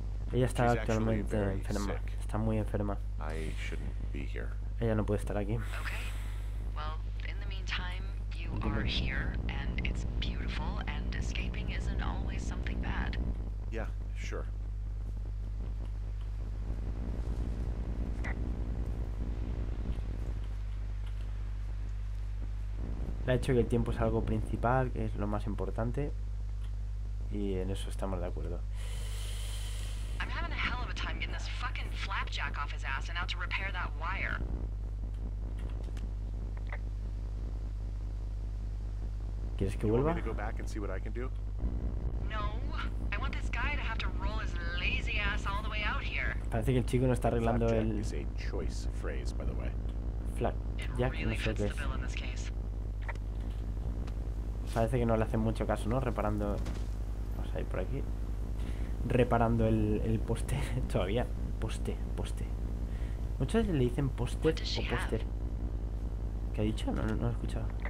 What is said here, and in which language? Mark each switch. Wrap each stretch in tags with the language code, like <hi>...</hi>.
<es>Ella está actualmente enferma. Está muy enferma.</es> <en>I shouldn't be here.</en> <es>Ella no puede estar aquí.</es> <en>Okay. Well, in the meantime, you are here, and it's beautiful, and escaping isn't always something bad. Yeah, sure.</en> <es>Le ha dicho que el tiempo es algo principal, que es lo más importante. Y en eso estamos de acuerdo.</es> <en>I'm having a hell of a time getting this fucking flapjack off his ass and out to repair that wire.</en> <es>¿Quieres que vuelva? ¿Quieres que vuelva y ver lo que puedo hacer? No.</es> <en>I want this guy to have to roll his lazy ass all the way out here.</en> <es>Parece que el chico no está arreglando el...</es> <en>Flapjack is a choice phrase, by the way.</en> <es>Flapjack, no sé qué es. Parece que no le hacen mucho caso, ¿no? Reparando... Vamos a ir por aquí. Reparando el poste. Todavía. Poste. Muchas veces le dicen poste o póster. ¿Qué ha dicho? No he escuchado.</es>